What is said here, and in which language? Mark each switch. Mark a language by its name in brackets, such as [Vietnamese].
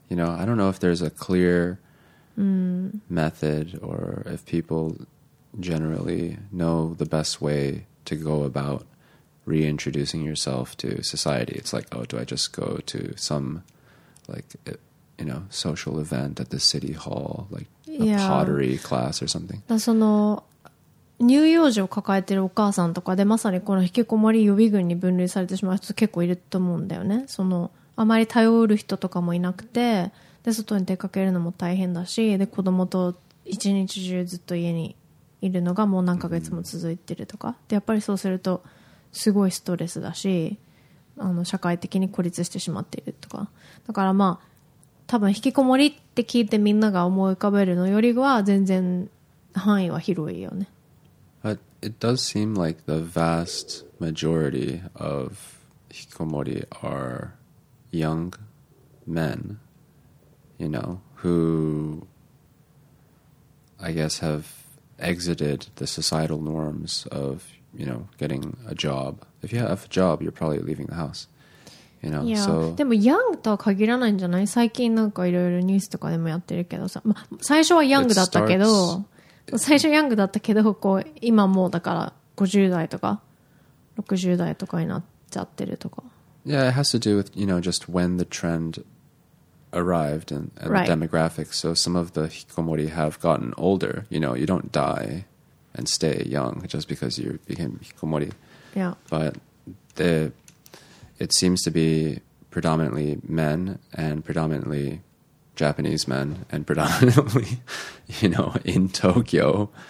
[English] You know, I don't know if there's a clearmethod or if people generally know the best way to go about reintroducing yourself to society. It's like, oh, do I just go to some, like, you know, social event at the city hall, like a、yeah. pottery class or something? [Japanese] だその乳幼児を抱えてるお母さんとかで、まさにこの引きこもり予備軍に分類されてしまう人結構いると思うんだよね。そのあまり頼る人とかもいなくて、で外に出かけるのも大変だし、で子供と一日中ずっと家にいるのがもう何ヶ月も続いてるとか、でやっぱりそうするとすごいストレスだし、あの社会的に孤立してしまっているとか、だからまあ多分引きこもりって聞いてみんなが思い浮かべるのよりは全然範囲は広いよね。 [English] But it does seem like the vast majority of 引きこもり are young menYou know, who I guess have exited the societal norms of you know, getting a job. If you have a job, you're probably leaving the house. You know, yeah, so... [Japanese] でもヤングとは限らないんじゃない？最近なんかいろいろニュースとかでもやってるけどさ、ま、最初はヤングだったけど、最初ヤングだったけど、こう今もうだから50代とか60代とかになっちゃってるとか。 [English] Yeah, it has to do with, you know, just when the trend arrived and right. the demographics. So some of the hikikomori have gotten older. You know, you don't die and stay young just because you became hikikomori. Yeah. But it seems to be predominantly men and predominantly Japanese men and predominantly, you know, in Tokyo.